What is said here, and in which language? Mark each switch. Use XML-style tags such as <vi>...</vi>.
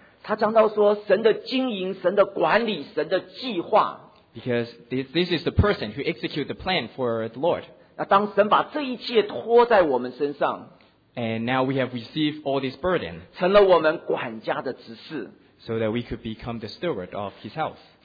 <zh>他讲到说神的经营神的管理神的计划,</zh> <en>because this is the person who executes the plan for the Lord.</en> <zh>当神把这一切托在我们身上,</zh> <en>and now we have received all this burden,</en> <zh>成了我们管家的执事,</zh> <en>so that we could become the steward of his house.</en>